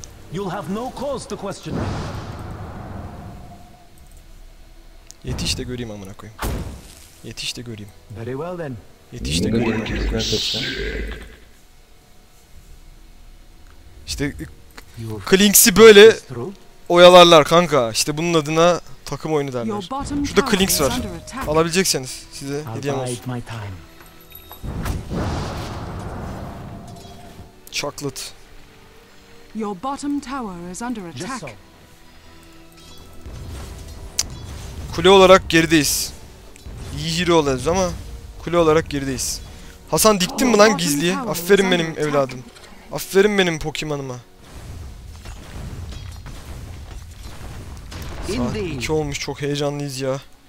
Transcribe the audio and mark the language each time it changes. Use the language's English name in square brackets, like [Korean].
[English] You'll have no cause to question me. [Turkish] Yetiş de göreyim amına koyayım. Yetiş de göreyim. [English] Very well then. [Turkish] Yetiş de göreyim. İşte Klinks'i böyle oyalarlar kanka. İşte bunun adına takım oyunu derler. Şurada Klinks var. Alabilecekseniz size hediyem olsun. [English] Chocolate. Your bottom tower is under attack. [Turkish] Kule olarak gerideyiz. İyi hero olacağız ama kule olarak gerideyiz. Hasan diktin mi lan gizliye? Aferin benim evladım. Aferin benim Pokemon'ıma. Saat 2 olmuş, çok heyecanlıyız ya.